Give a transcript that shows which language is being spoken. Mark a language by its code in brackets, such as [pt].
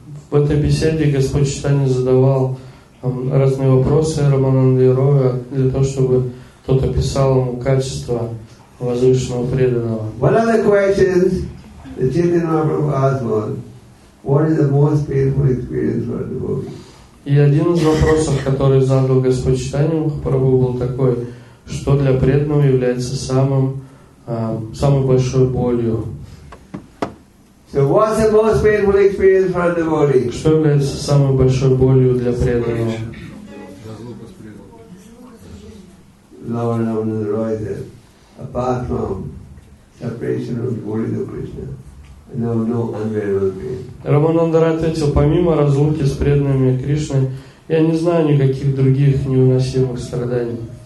[ru] В этой беседе Господь Чайтанья задавал разные вопросы Рамананде Рою для того, чтобы тот описал ему качество возвышенного преданного. [en] One of the questions that Chaitanya Mahaprabhu asked was, what is the most painful experience for a devotee? [ru] И один из вопросов, который задал Господь Чайтанья Махапрабху, был такой, что для преданного является самой большой болью. [en] So what's the most painful experience for a devotee? [ru] Что является самой большой болью для преданного? [en] Apart from separation of Govinda Krishna, there was no unbearable pain. [ru] Рамананда Рай ответил: помимо разлуки с преданными Кришны, я не знаю никаких других невыносимых страданий.